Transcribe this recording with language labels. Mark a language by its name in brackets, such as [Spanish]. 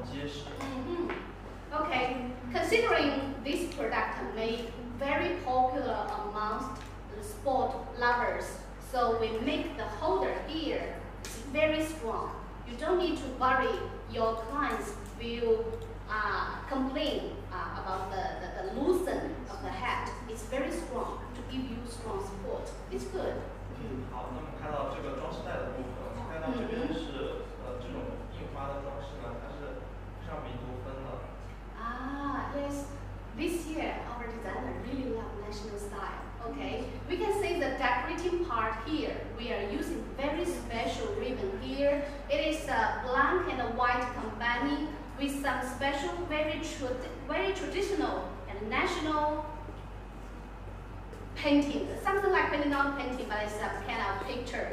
[Chinese] 然后紧接着我说到这边是看起来是非常运动，当然要强调实际的运动器械。这边的支撑它很牢靠，很结实。Okay, [English] considering this product made very popular amongst the sport lovers, so we make the holder here very strong. You don't need to worry your clients will complain about the loosen of the hat. It's very strong to give you strong support. It's good. [Chinese] 好，那么看到这个装饰带的部分，看到这边是这种印花的装饰呢，它是上面都分了。Yes, [English] this year our designer really love national style. Okay, we can see the decorating part here. We are using very special ribbon here. It is a black and a white combining with some special, very traditional and national painting, something like painting, not painting, but it's a kind of picture.